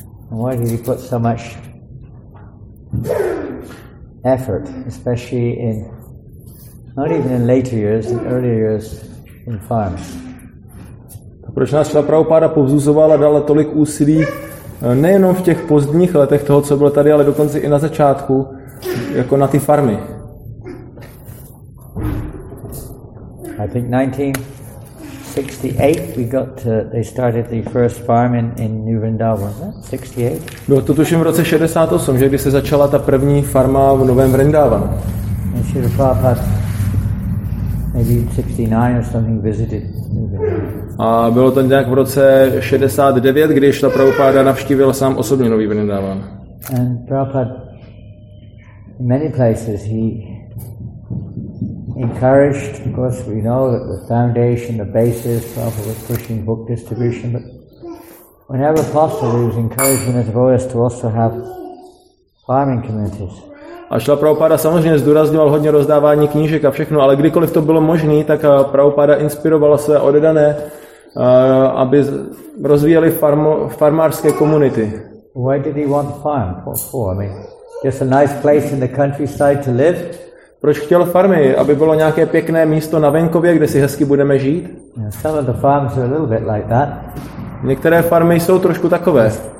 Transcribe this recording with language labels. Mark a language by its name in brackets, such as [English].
[English] And why did he put so much effort, especially in, not even in later years, in earlier years, in farms? [Czech] Proč nás Srila Prabhupada povzbuzoval a dal tolik úsilí, nejenom v těch pozdních letech toho, co bylo tady, ale dokonce i na začátku, jako na ty farmy? [English] I think 1968 we got to, they started the first farm in New Vrindavan, 68. [Czech] No, to tuším v roce 68, že když se začala ta první farma v Novém Vrindavanu. [English] And Srila Prabhupada maybe 69 or something visited. [Czech] A bylo to nějak v roce 69, kdy Srila Prabhupada navštívil sám osobně Nový Vrindavan. [English] And Prabhupada many places he encouraged, of course, we know that the foundation, the basis, Prabhupada was pushing book distribution, but whenever possible, he was encouraging his devotees to also have farming communities. [Czech] A Srila Prabhupada samozřejmě zdůrazňoval hodně rozdávání knížek a všechno, ale kdykoliv to bylo možné, tak Prabhupada inspiroval své oddané, aby rozvíjeli farmářské komunity. [English] Why did he want a farm? For? I mean, just a nice place in the countryside to live? [Czech] Proč chtěl farmy, aby bylo nějaké pěkné místo na venkově, kde si hezky budeme žít? [English] Some of the farms are a little bit like that. [Czech] Některé farmy jsou trošku takové.